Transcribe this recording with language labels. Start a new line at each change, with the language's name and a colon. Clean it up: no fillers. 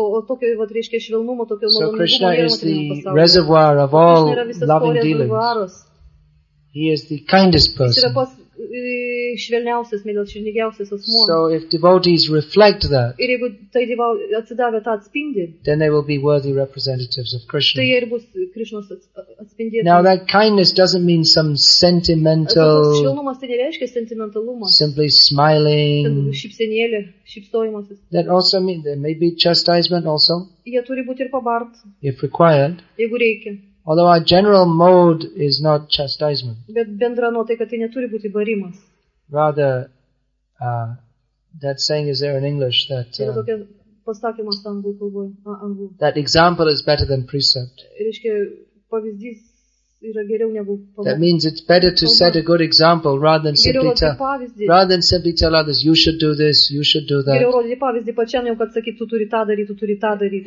English: So Krishna is the reservoir of all loving dealings. He is the kindest person.
Lithuanian: Švelniausias, mėlyniausias, širdingiausias asmuo.
English: So if devotees reflect that,
Lithuanian: ir jeigu tai atsidavę tą atspindį,
English: then they will be worthy representatives of Krishna.
Lithuanian: Tai ir bus Krishnos atspindėtojai.
English: Now that kindness doesn't mean some sentimental,
Lithuanian: švelnumas tai nereiškia sentimentalumas.
English: Simply smiling.
Lithuanian: Šypsenėlė, šypsojimasis.
English: That also means there may be chastisement also.
Lithuanian: Jie turi būti ir pabarti.
English: If required.
Lithuanian: Jeigu reikia.
English: Although our general mode is not chastisement.
Lithuanian: Bet bendra nuotaika, tai neturi būti barimas.
English: Rather, that saying is there in English that that example is better than precept.
Lithuanian: Reiškia, pavyzdys yra geriau negu pamokyti.
English: That means it's better to set a good example rather than simply tell others, you should do this, you should do that.
Lithuanian: Geriau rodyti pavyzdį pačiam, negu kad sakyti, tu turi tą daryti, tu turi tą daryti.